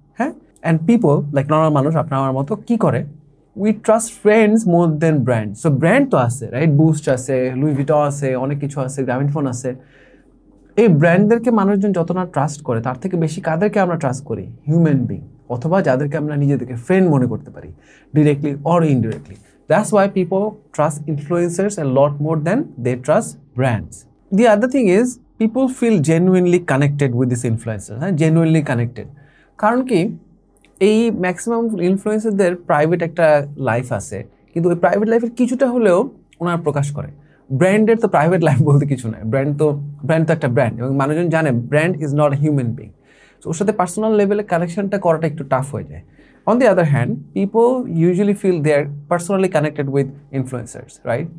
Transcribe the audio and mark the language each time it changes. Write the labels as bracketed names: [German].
[English] হ্যাঁ, and people like normal [Bangla] মানুষ আপনার আমার মতো কী করে, [English] We trust friends more than brand. [Bangla] So brand তো আছে, রাইট? বুস্ট আছে, লুই ভিটন আছে, অনেক কিছু আছে, গ্রামীণ ফোন আছে। এই ব্র্যান্ডদেরকে মানুষজন যত না ট্রাস্ট করে তার থেকে বেশি কাদেরকে আমরা ট্রাস্ট করি? হিউম্যান বিং, অথবা যাদেরকে আমরা নিজেদেরকে ফ্রেন্ড মনে করতে পারি [English] Directly or indirectly. That's why people trust influencers a lot more than they trust brands. The other thing is people feel genuinely connected with these influencers. Genuinely connected. [Bangla] কারণ কি, এই ম্যাক্সিমাম ইনফ্লুয়েন্সারদের প্রাইভেট একটা life আছে, কিন্তু ওই private লাইফের কিছুটা হলেও ওনারা প্রকাশ করে। ব্র্যান্ডের তো প্রাইভেট লাইফ বলতে কিছু নয়, ব্র্যান্ড তো একটা ব্র্যান্ড এবং মানুষজন জানে [English] Brand is not human being. [Bangla] So ওর সাথে পার্সোনাল লেভেলে কানেকশনটা করাটা একটু টাফ হয়ে যায়। [English] On the other hand, people usually feel they are personally connected with influencers, right?